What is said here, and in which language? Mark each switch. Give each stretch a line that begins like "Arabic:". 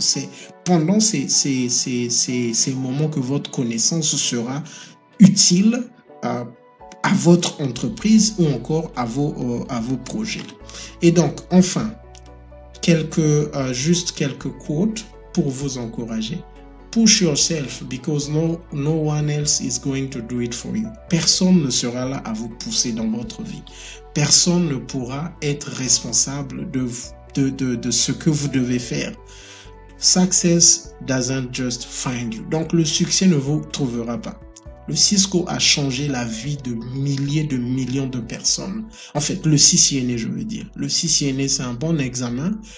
French: C'est pendant ces moments que votre connaissance sera utile à votre entreprise ou encore à vos projets. Et donc, enfin, quelques quotes pour vous encourager.
English: Push yourself because no one else is going to do it for you.
French: Personne ne sera là à vous pousser dans votre vie. Personne ne pourra être responsable de ce que vous devez faire.
English: Success doesn't just find you.
French: Donc le succès ne vous trouvera pas. Le Cisco a changé la vie de milliers de millions de personnes. En fait, le CCNA, je veux dire. Le CCNA, c'est un bon examen.